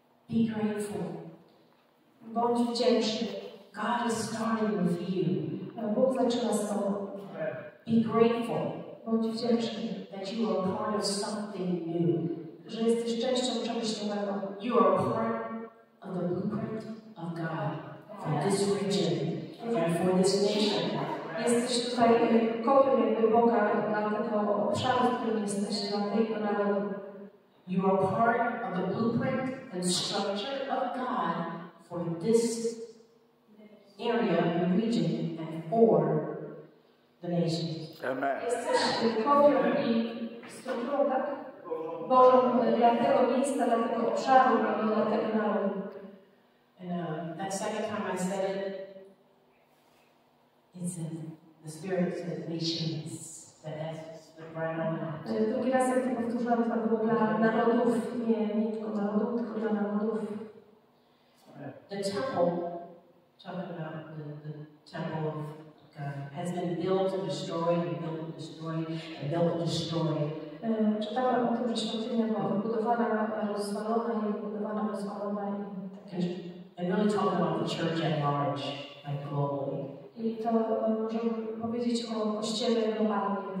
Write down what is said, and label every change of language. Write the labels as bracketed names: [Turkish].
[English] Be grateful. [Polish] Bądź wdzięczny. [English] God is starting with you. [Polish] Bóg zaczyna z tobą. [English] Be grateful. [Polish] Bądź wdzięczny. [English] That you are part of something new. [Polish] Że jesteś częścią czegoś nowego. [English] You are part of the blueprint of God for this region and for this nation. [Polish] Jesteś tutaj kopią jakby Boga dla tego obszaru, w którym jesteś, dla tego narodu. [English] You are part of the blueprint and structure of God for this area and region and for the nation. Amen. [Polish] Jesteś kopią i strukturą, tak? Bożą dla tego miejsca, dla tego obszaru, dla tego narodu. [English] And that second time I said it, it's in the spirit of the nations that has been right on that. [Polish] Drugi raz, jak to powtórzyłam, to było dla narodów, nie tylko narodów, tylko dla narodów. [English] The temple, talking about the temple of has been built and destroyed, and built and destroyed, and built and destroyed. [Polish] Czytałam o tym, że świątynia była wybudowana, rozwalona i wybudowana, rozwalona. [English] And really talking about the church at large, like globally. [Polish] I to możemy powiedzieć o kościele globalnie.